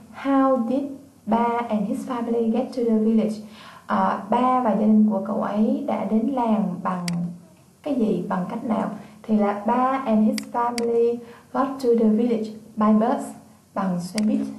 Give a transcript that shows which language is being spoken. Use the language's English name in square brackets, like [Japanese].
[English] How did Ba and his family get to the village? [Vietnamese] Ba và gia đình của cậu ấy đã đến làng bằng cái gì, bằng cách nào? Thì là [English] Ba and his family got to the village by bus, [Vietnamese] bằng xe buýt.